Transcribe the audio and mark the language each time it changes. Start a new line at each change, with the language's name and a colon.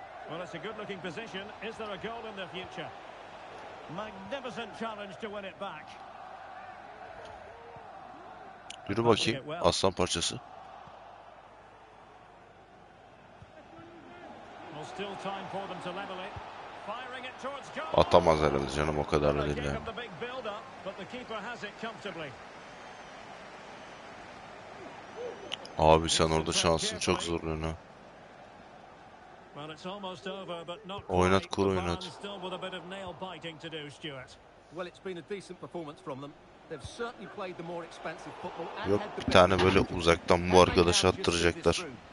English: Well, it's a good-looking position. Is there a goal in the future? Magnificent challenge to win it back.
Turkish: Yürü bakayım, aslan parçası.
English: Well, still time for them to level it. Firing it towards goal.
Turkish: Atamaz herhalde canım, o kadar da değil.
English: The big build-up, but the keeper has it comfortably.
Turkish: Abi sen orada şansın çok zorluyorsun ha.
English: Well, it's almost over, but not quite.
Turkish: Oynat kur, oynat.
English: Still with a bit of nail biting to do, Stuart. Well, it's been a decent performance from them. They've certainly played the more expansive football.
Turkish: Yok, bir tane böyle uzaktan bu arkadaşı attıracaklar.